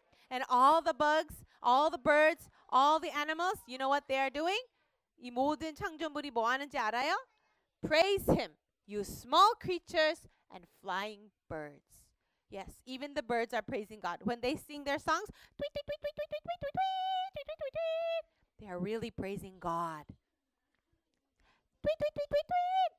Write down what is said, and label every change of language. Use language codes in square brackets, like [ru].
[en] And all the bugs, all the birds, all the animals, you know what they are doing? [ko] 이 모든 창조물이 뭐 하는지 알아요? [en] Praise him, you small creatures and flying birds. Yes, even the birds are praising God. When they sing their songs, tweet, tweet, tweet, tweet, tweet, tweet, tweet, tweet, tweet, tweet, tweet. They are really praising God. Tweet, tweet, tweet, tweet, tweet.